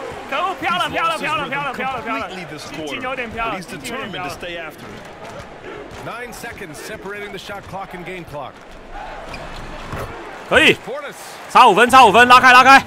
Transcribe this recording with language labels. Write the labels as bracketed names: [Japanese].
[Chinese] 可恶，飘了，飘了，飘了，飘了，飘了，飘了，心情有点飘了。 [English] He's determined to stay after it. 9 seconds separating the shot clock and game clock. [Chinese] 可以，差五分，差五分，拉开，拉开。